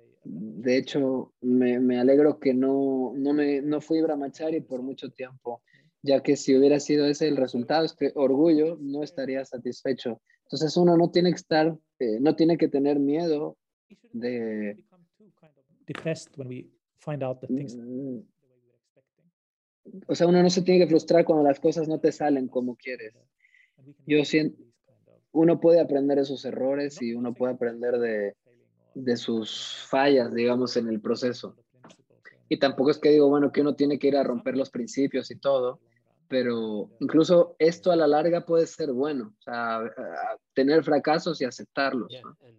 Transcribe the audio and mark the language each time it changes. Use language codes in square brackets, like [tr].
[es] De hecho, me alegro que no fui brahmachari por mucho tiempo. Ya que si hubiera sido ese el resultado, este orgullo no estaría satisfecho. Entonces uno no tiene que estar, no tiene que tener miedo de [en] depressed when we find out the things the way we're expecting. [es] O sea, uno no se tiene que frustrar cuando las cosas no te salen como quieres. Yo siento, uno puede aprender esos errores y uno puede aprender de sus fallas, digamos, en el proceso. Y tampoco es que digo, bueno, que uno tiene que ir a romper los principios y todo, pero incluso esto a la larga puede ser bueno, o sea, tener fracasos y aceptarlos, ¿no?